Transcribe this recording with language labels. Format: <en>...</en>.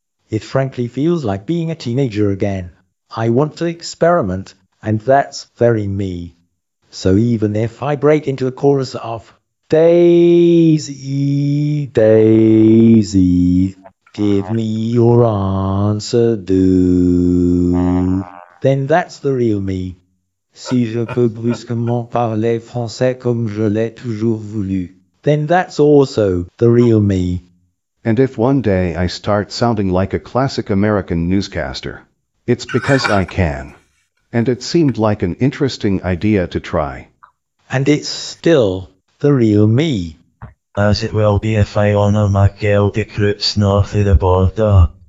<en>It frankly feels like being a teenager again. I want to experiment, and that's very me. So even if I break into a chorus of Daisy, Daisy, give me your answer, do, then that's the real me.</en> <fr>Si je peux brusquement parler français comme je l'ai toujours voulu,</fr> <en>then that's also the real me. And if one day I start sounding like a classic American newscaster, it's because I can. And it seemed like an interesting idea to try. And it's still the real me. As it will be if I honor my Celtic roots north of the border.</en>